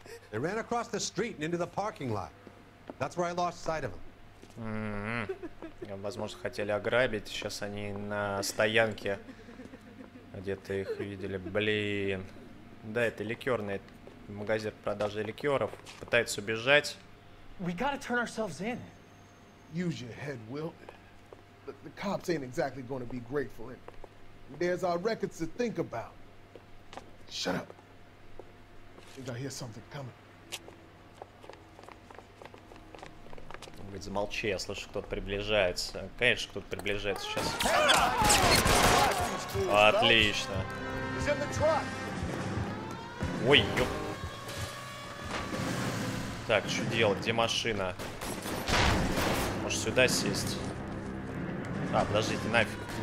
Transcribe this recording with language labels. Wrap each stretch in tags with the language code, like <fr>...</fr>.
<en>They ran across the street and into the parking lot. That's where I lost sight of them. Mm-hmm.</en> <ru>Возможно, хотели ограбить. Сейчас они на стоянке. Где-то их видели. Блин. Да, это ликерный магазин продажи ликеров. Пытается убежать.</ru> <en>We gotta turn ourselves in. Use your head, Will. The cops ain't exactly gonna be grateful. There's our records to think about. Shut up. I think I hear something coming.</en> <ru>Блин, замолчи, я слышу, кто-то приближается. Конечно, кто-то приближается сейчас. Отлично. Ой, ёп. Так, что делать? Где машина? Может, сюда сесть? А, подождите, нафиг.</ru>